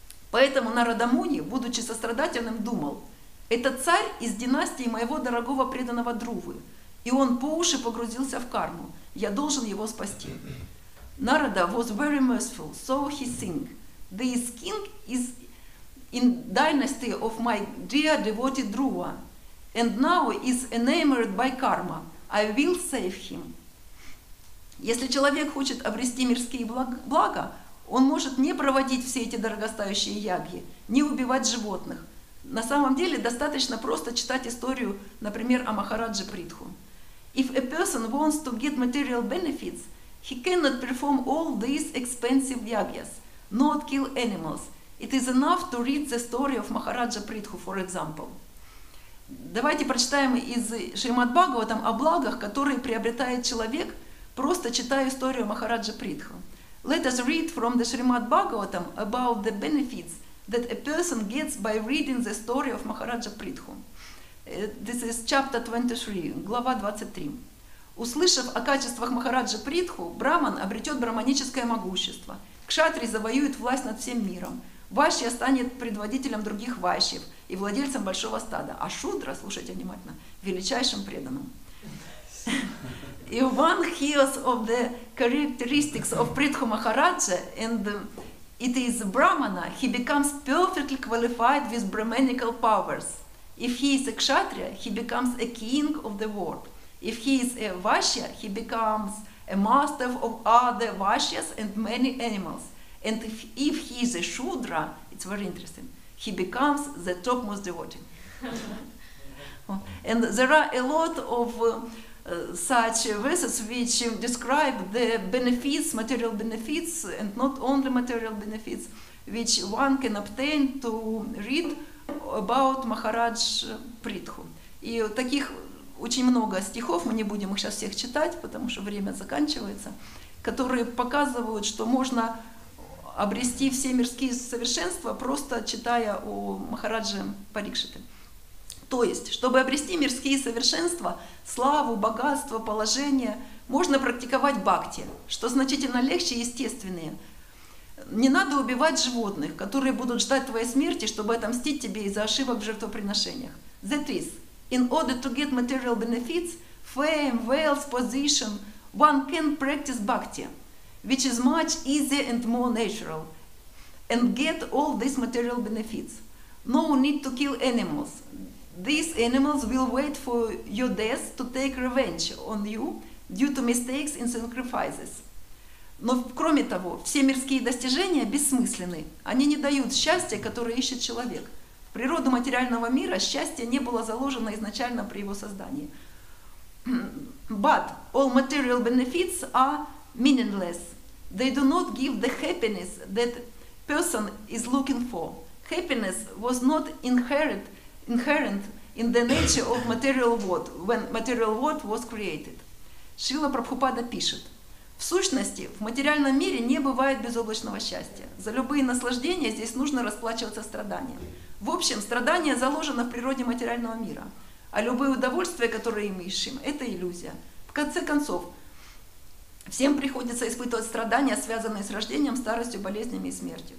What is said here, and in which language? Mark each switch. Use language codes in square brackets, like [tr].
[ru] Поэтому Нарада Муни, будучи сострадательным, думал, это царь из династии моего дорогого преданного Друвы, и он по уши погрузился в карму. Я должен его спасти. [en] Нарада was very merciful, so he sing. This king is in dynasty of my dear devoted Dhruva, and now is enamored by karma. I will save him. [ru] Если человек хочет обрести мирские блага, он может не проводить все эти дорогостоящие ягьи, не убивать животных. На самом деле достаточно просто читать историю, например, о Махараджи Притху. [en] If a person wants to get material benefits, he cannot perform all these expensive yagyas. Not kill animals. It is enough to read the story of Maharaja Prithu, for example. [ru] Давайте прочитаем из Шримад Бхагаватам о благах, которые приобретает человек, просто читая историю Махараджа Притху. [en] Let us read from the Srimad Bhagavatam about the benefits that a person gets by reading the story of Maharaja Pritху. This is chapter 23, [ru] глава 23. Услышав о качествах Махараджа Притху, браман обретет браманическое могущество. Кшатри завоюет власть над всем миром. Вайшья станет предводителем других вайшьев и владельцем большого стада. А шудра, слушайте внимательно, величайшим преданным. [en] If one hears of the characteristics of Pritha Maharaja and it is Brahmana, he becomes perfectly qualified with brahmanical powers. If he is a Kshatriya, he becomes a king of the world. If he is a Vaishya, he becomes a master of other Vaishyas and many animals. And if he is a Shudra, it's very interesting, he becomes the topmost devotee. And there are a lot of such verses which describe the benefits, material benefits, and not only material benefits, which one can obtain to read about Maharaj Pritha. [ru] И таких очень много стихов, мы не будем их сейчас всех читать, потому что время заканчивается, которые показывают, что можно обрести все мирские совершенства, просто читая о Махарадже Парикшите. То есть, чтобы обрести мирские совершенства, славу, богатство, положение, можно практиковать бхакти, что значительно легче и естественнее. Не надо убивать животных, которые будут ждать твоей смерти, чтобы отомстить тебе из-за ошибок в жертвоприношениях. [en] That is, in order to get material benefits, fame, wealth, position, one can practice bhakti, which is much easier and more natural, and get all these material benefits. No need to kill animals. These animals will wait for your death to take revenge on you due to mistakes in sacrifices. [ru] Но кроме того, все мирские достижения бессмысленны. Они не дают счастья, которое ищет человек. В природу материального мира счастье не было заложено изначально при его создании. [en] But all material benefits are meaningless. They do not give the happiness that person is looking for. Happiness was not inherent in the nature of material world, when material world was created. [ru] Шрила Прабхупада пишет: в сущности, в материальном мире не бывает безоблачного счастья. За любые наслаждения здесь нужно расплачиваться страданием. В общем, страдание заложено в природе материального мира. А любые удовольствия, которые мы ищем, это иллюзия. В конце концов, всем приходится испытывать страдания, связанные с рождением, старостью, болезнями и смертью.